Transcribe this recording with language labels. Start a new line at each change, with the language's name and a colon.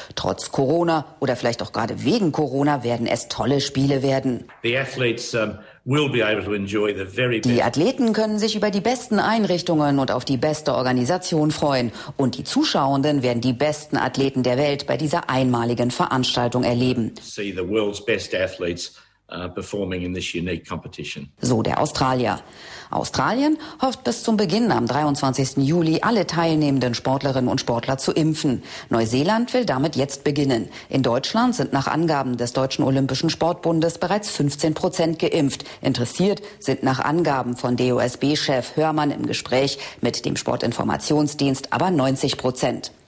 German: Trotz Corona oder vielleicht auch gerade wegen Corona werden es tolle Spiele werden. Die Athleten können sich über die besten Einrichtungen und auf die beste Organisation freuen. Und die Zuschauenden werden die besten Athleten der Welt bei dieser einmaligen Veranstaltung erleben.
English: See the world's best athletes. Performing in this unique competition.
German: So der Australier. Australien hofft bis zum Beginn am 23. Juli alle teilnehmenden Sportlerinnen und Sportler zu impfen. Neuseeland will damit jetzt beginnen. In Deutschland sind nach Angaben des Deutschen Olympischen Sportbundes bereits 15% geimpft. Interessiert sind nach Angaben von DOSB-Chef Hörmann im Gespräch mit dem Sportinformationsdienst aber 90%.